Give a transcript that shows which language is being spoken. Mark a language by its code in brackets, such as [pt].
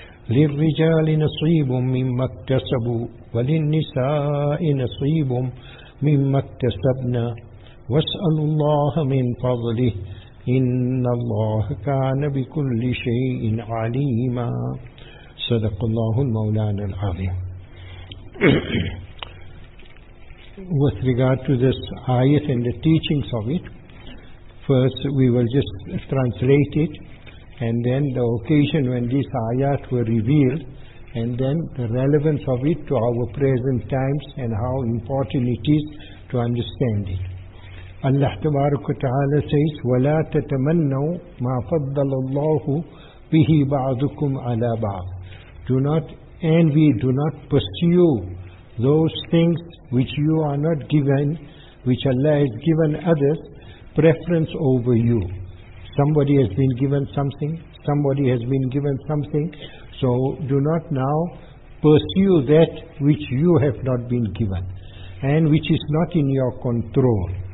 [ar] للرجال نصيب مما اكتسبوا وللنساء نصيب مما اكتسبنا واسألوا الله من فضله إن الله كان بكل شيء عليما. صدق الله المولانا العظيم. [en] With regard to this ayat and the teachings of it, first we will just translate it, and then the occasion when these ayat were revealed, and then the relevance of it to our present times and how important it is to understand it. [ar] Allah tabaraka wa ta'ala [en] says, [ar] وَلَا تَتَمَنَّوْا مَا فَضَّلَ اللَّهُ بِهِ بَعْضُكُمْ عَلَى بَعْضٍ. [en] Do not envy, do not pursue those things which you are not given, which Allah has given others preference over you. Somebody has been given something, somebody has been given something, so do not now pursue that which you have not been given and which is not in your control.